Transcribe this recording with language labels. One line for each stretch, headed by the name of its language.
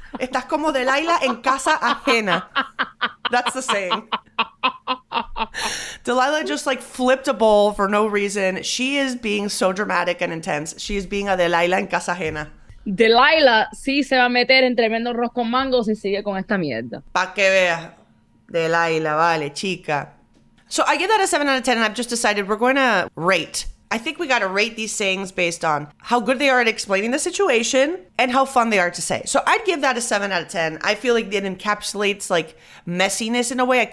Spanish: Estás como Delilah en casa ajena.
English: That's the saying. Delilah just like flipped a bowl for no reason. She is being so dramatic and intense. She is being a Delilah
Spanish: en casa ajena. Delilah sí se va a meter en tremendo arroz con mango si sigue con esta mierda. Pa' que vea. Delilah, vale, chica.
English: So I give that a 7 out of 10, and I've just decided we're going to rate. I think we got to rate these sayings based on how good they are at explaining the situation and how fun they are to say. So I'd give that a 7 out of 10. I feel like it encapsulates, like, messiness in a way.